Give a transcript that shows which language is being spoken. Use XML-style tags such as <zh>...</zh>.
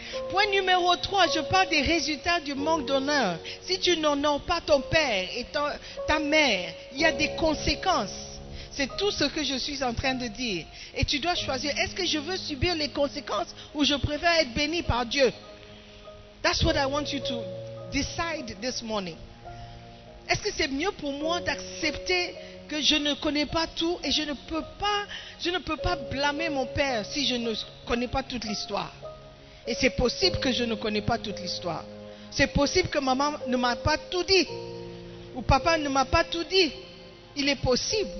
<fr>Point numéro 3, je parle des résultats du manque d'honneur. Si tu n'honores pas ton père et ta mère, il y a des conséquences. C'est tout ce que je suis en train de dire. Et tu dois choisir, est-ce que je veux subir les conséquences ou je préfère être béni par Dieu?</fr> <en>That's what I want you to decide this morning.</en> <fr>Est-ce que c'est mieux pour moi d'accepter que je ne connais pas tout et je ne peux pas blâmer mon père si je ne connais pas toute l'histoire? Et c'est possible que je ne connais pas toute l'histoire. C'est possible que maman ne m'a pas tout dit ou papa ne m'a pas tout dit. Il est possible.</fr>